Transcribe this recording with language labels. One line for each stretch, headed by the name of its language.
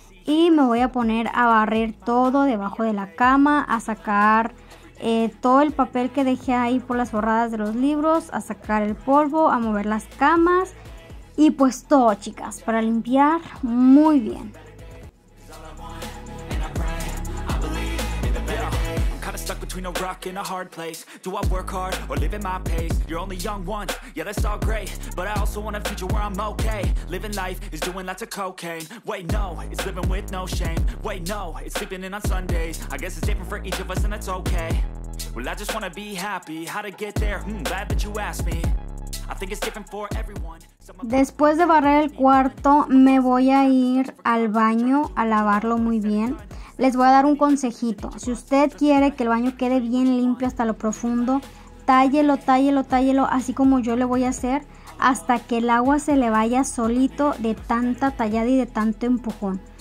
Spanish: Y me voy a poner a barrer todo debajo de la cama, a sacar todo el papel que dejé ahí por las forradas de los libros, a sacar el polvo, a mover las camas y pues todo, chicas, para limpiar muy bien.
English: Between a rock and a hard place. Do I work hard or live at my pace? You're only young once, yeah, that's all great. But I also want a future where I'm okay. Living life is doing lots of cocaine. Wait, no, it's living with no shame. Wait, no, it's sleeping in on Sundays. I guess it's different for each of us and that's okay. Well, I just want to be happy. How to get there? Glad that you asked me. I think it's different for everyone.
Spanish: Después de barrer el cuarto, me voy a ir al baño a lavarlo muy bien. Les voy a dar un consejito. Si usted quiere que el baño quede bien limpio hasta lo profundo, tállelo, tállelo, tállelo, así como yo le voy a hacer, hasta que el agua se le vaya solito de tanta tallada y de tanto empujón.